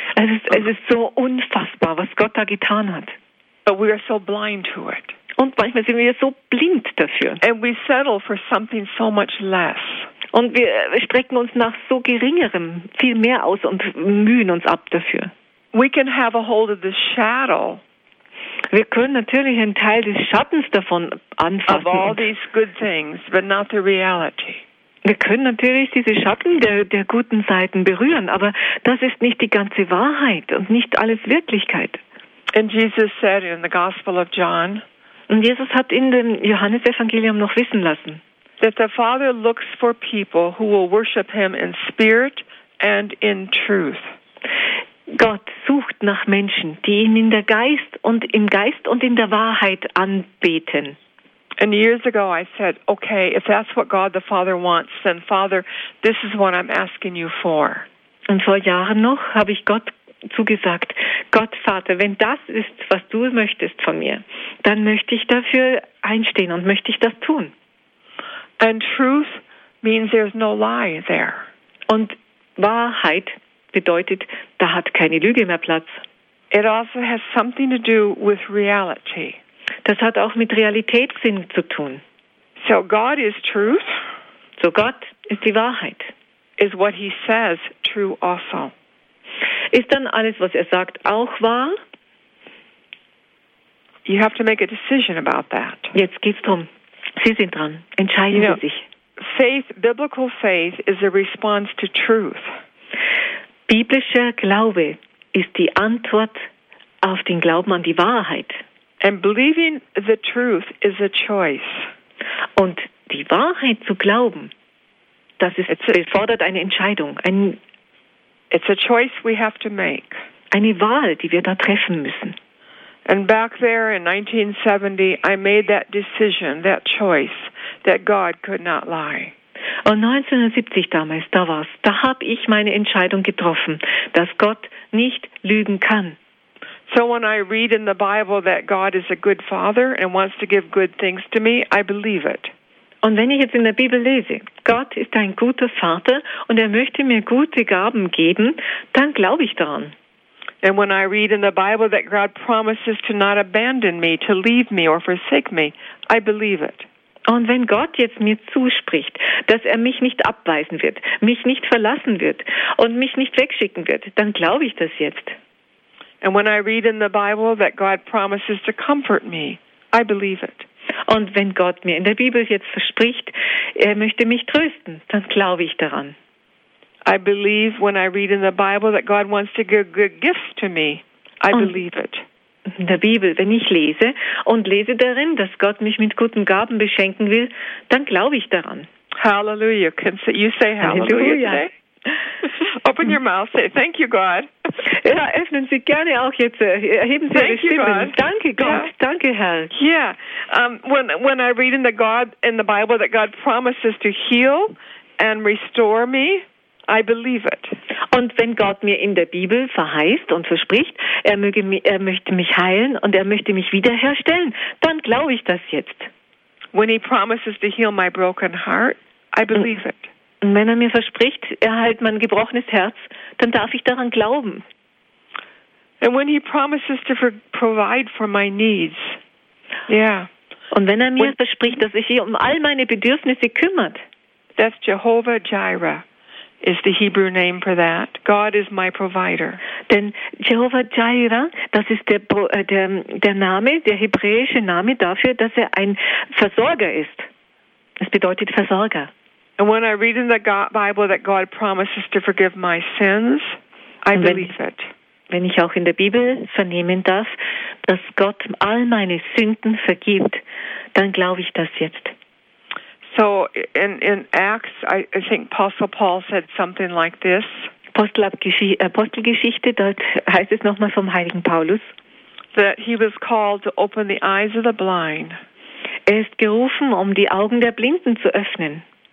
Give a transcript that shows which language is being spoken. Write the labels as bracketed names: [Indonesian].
[German] Es ist so unfassbar, was Gott da getan hat. [English] But we are so blind to it. [German] Und manchmal sind wir so blind dafür. [English] And we settle for something so much less. [German] Und wir strecken uns nach so geringerem viel mehr aus und mühen uns ab dafür. [English] We can have a hold of the shadow. [German] Wir können natürlich einen Teil des Schattens davon anfassen. [English] Of all these good things, but not the reality. [German] Wir können natürlich diese Schatten der guten Seiten berühren, aber das ist nicht die ganze Wahrheit und nicht alles Wirklichkeit. [English] And Jesus said in the Gospel of John, [German] und Jesus hat in dem Johannesevangelium noch wissen lassen, [English] that the Father looks for people who will worship him in spirit and in truth. [German] Gott sucht nach Menschen, die ihn in der Geist und im Geist und in der Wahrheit anbeten. [English] And years ago I said, okay, if that's what God the Father wants, then Father, this is what I'm asking you for. [German] Und vor Jahren noch habe ich Gott zugesagt, Gott Vater, wenn das ist, was du möchtest von mir, dann möchte ich dafür einstehen und möchte ich das tun. [English] And truth means there's no lie there. [German] Und Wahrheit bedeutet, da hat keine Lüge mehr Platz. [English] It also has something to do with reality. [German] Das hat auch mit Realitätssinn zu tun. [English] So God is truth. [German] So Gott ist die Wahrheit. [English] Is what he says true also. [German] Ist dann alles, was er sagt, auch wahr? [English] You have to make a decision about that. [German] Jetzt geht's drum. Sie sind dran. Entscheiden [English] you know, [German] Sie sich. [English] Faith, biblical faith is a response to truth. [German] Biblischer Glaube ist die Antwort auf den Glauben an die Wahrheit. [English] And believing the truth is a choice. [German] Und die Wahrheit zu glauben, das erfordert eine Entscheidung. [English] It's a choice we have to make. [German] Eine Wahl, die wir da treffen müssen. [English] And back there in 1970, I made that decision, that choice, that God could not lie. [German] Und 1970 damals, da war's, da habe ich meine Entscheidung getroffen, dass Gott nicht lügen kann. [English] So when I read in the Bible that God is a good father and wants to give good things to me, I believe it. [German] Und wenn ich jetzt in der Bibel lese, Gott ist ein guter Vater und er möchte mir gute Gaben geben, dann glaube ich daran. [English] And when I read in the Bible that God promises to not abandon me, to leave me or forsake me, I believe it. [German] Und wenn Gott jetzt mir zuspricht, dass er mich nicht abweisen wird, mich nicht verlassen wird und mich nicht wegschicken wird, dann glaube ich das jetzt. [English] And when I read in the Bible that God promises to comfort me, I believe it. [German] Und wenn Gott mir in der Bibel jetzt verspricht, er möchte mich trösten, dann glaube ich daran. [English] I believe when I read in the Bible that God wants to give good gifts to me, I believe it. [German] In der Bibel, wenn ich lese und lese darin, dass Gott mich mit guten Gaben beschenken will, dann glaube ich daran. [English] Hallelujah. Can you say hallelujah, hallelujah today? Open your mouth, say thank you, God. [German] Ja, öffnen Sie gerne auch jetzt, erheben Sie [English] thank [German] Ihre Stimmen. [English] You, God. [German] Danke, Gott. Yeah. Danke, Herr. [English] Yeah, when I read in the Bible that God promises to heal and restore me, I believe it. [German] Und wenn Gott mir in der Bibel verheißt und verspricht, er möchte mich heilen und er möchte mich wiederherstellen, dann glaube ich das jetzt. [English] When he promises to heal my broken heart, I believe it. [German] Und wenn er mir verspricht, er heilt mein gebrochenes Herz, dann darf ich daran glauben. [English] And when he promises to provide for my needs, yeah. [German] Und wenn er mir verspricht, dass ich mich um all meine Bedürfnisse kümmert, [English] that's Jehovah Jireh. Is the Hebrew name for that? God is my provider. [German] Denn Jehovah Jireh, das ist der Name, der hebräische Name dafür, dass er ein Versorger ist. Es bedeutet Versorger. [English] And when I read in the Bible that God promises to forgive my sins, I believe it. [German] Wenn ich auch in der Bibel vernehmen darf, dass Gott all meine Sünden vergibt, dann glaube ich das jetzt. [English] So in Acts, I think Apostle Paul said something like this. [German] Apostelgeschichte, dort heißt es nochmal vom Heiligen Paulus. [English] That he was called to open the eyes of the blind. [German] Er ist gerufen, um die Augen der Blinden zu öffnen.